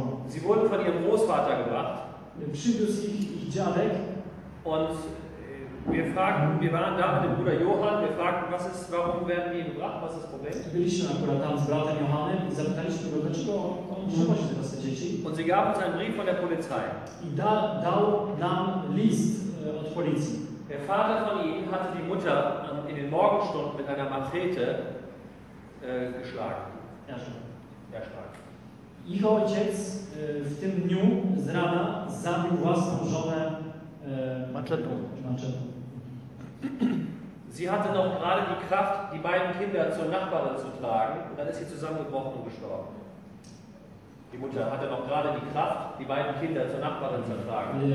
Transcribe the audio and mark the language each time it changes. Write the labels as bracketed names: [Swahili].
[German] Sie wurden von ihrem Großvater gebracht. [Polish] Przywiózł ich dziadek. [German] Und wir waren da mit dem Bruder Johann, wir fragten, warum werden wir gebracht, was ist das Problem? [Polish] Byliśmy akurat tam z bratem Johannem i zapytaliśmy go, dlaczego on trzyma się teraz te dzieci. [German] Und sie gab uns einen Brief von der Polizei. [Polish] I dał nam list od policji. [German] Der Vater von ihm hatte die Mutter in den Morgenstunden mit einer Machete geschlagen. Erschlagen. [Polish] Ich ojciec w tym dniu z rana zabił własną żonę maczetą. [German] Sie hatte noch gerade die Kraft, die beiden Kinder zur Nachbarin zu tragen, und dann ist sie zusammengebrochen und gestorben. Die Mutter hatte noch gerade die Kraft, die beiden Kinder zur Nachbarin zu tragen.